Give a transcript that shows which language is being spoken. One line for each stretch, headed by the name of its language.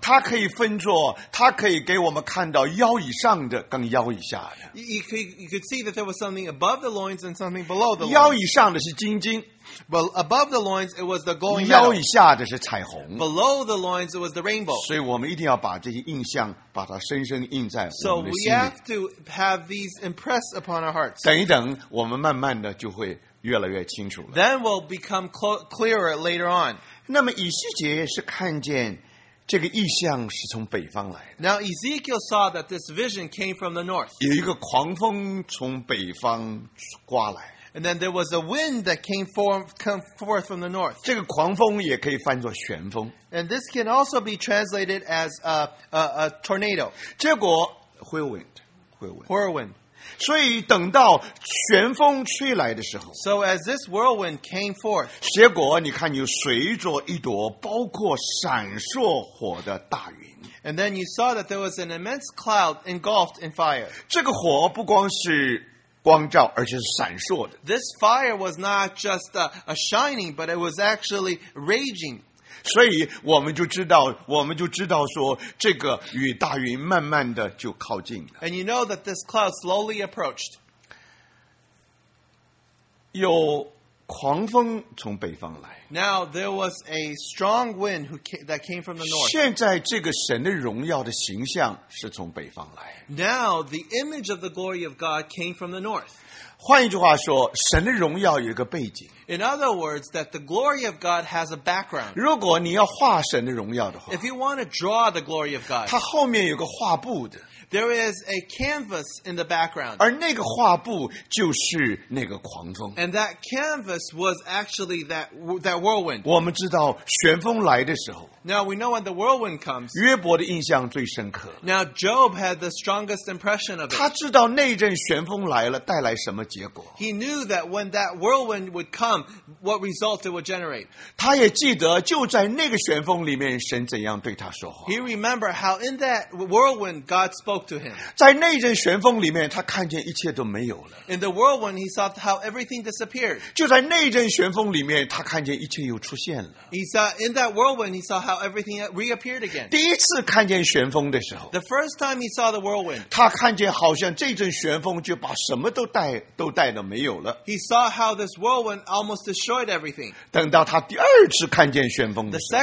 Chinese: 它可以分作，它可以给我们看到腰以上的跟腰以下的。
English: You could see that there was something above the loins and something below the loins.
Chinese: 腰以上的是金晶。
English: But above the loins, it was the glowing metal.
Chinese: 腰以下的是彩虹。
English: Below the loins, it was the rainbow.
Chinese: 所以我们一定要把这些印象把它深深印在我们的心里。
English: So we have to have these impressed upon our hearts.
Chinese: 等一等，我们慢慢的就会越来越清楚了。
English: Then we'll become clearer later on.
Chinese: 那么以西结是看见这个意象是从北方来的。
English: Now Ezekiel saw that this vision came from the north.
Chinese: 有一个狂风从北方刮来。
English: And then there was a wind that came forth from the north.
Chinese: 这个狂风也可以翻作旋风。
English: And this can also be translated as a tornado.
Chinese: 结果
English: whirlwind.
Chinese: 所以等到旋风吹来的时候。
English: So as this whirlwind came forth.
Chinese: 结果你看有随着一朵包括闪烁火的大云。
English: And then you saw that there was an immense cloud engulfed in fire.
Chinese: 这个火不光是光照，而且是闪烁的。
English: This fire was not just a shining, but it was actually raging.
Chinese: 所以我们就知道，说这个与大云慢慢的就靠近了。
English: And you know that this cloud slowly approached.
Chinese: 有狂风从北方来。
English: Now there was a strong wind that came from the north.
Chinese: 现在这个神的荣耀的形象是从北方来。
English: Now the image of the glory of God came from the north.
Chinese: 换一句话说，神的荣耀有一个背景。
English: In other words, that the glory of God has a background.
Chinese: 如果你要画神的荣耀的话，
English: If you want to draw the glory of God,
Chinese: 它后面有个画布的。
English: There is a canvas in the background.
Chinese: 而那个画布就是那个狂风。
English: And that canvas was actually that whirlwind.
Chinese: 我们知道旋风来的时候。
English: Now we know when the whirlwind comes.
Chinese: 约伯的印象最深刻。
English: Now Job had the strongest impression of it.
Chinese: 他知道那阵旋风来了带来什么结果。
English: He knew that when that whirlwind would come, what result it would generate.
Chinese: 他也记得就在那个旋风里面神怎样对他说话。
English: He remembered how in that whirlwind God spoke to him.
Chinese: 在那阵旋风里面，他看见一切都没有了。
English: In the whirlwind, he saw how everything disappeared.
Chinese: 就在那阵旋风里面，他看见一切又出现了。
English: He saw in that whirlwind, he saw how everything reappeared again.
Chinese: 第一次看见旋风的时候
English: ，The first time he saw the whirlwind,
Chinese: 他看见好像这阵旋风就把什么都带了没有了。
English: He saw how this whirlwind almost almost destroyed everything.
Chinese: 等到他第二次看见旋风的时候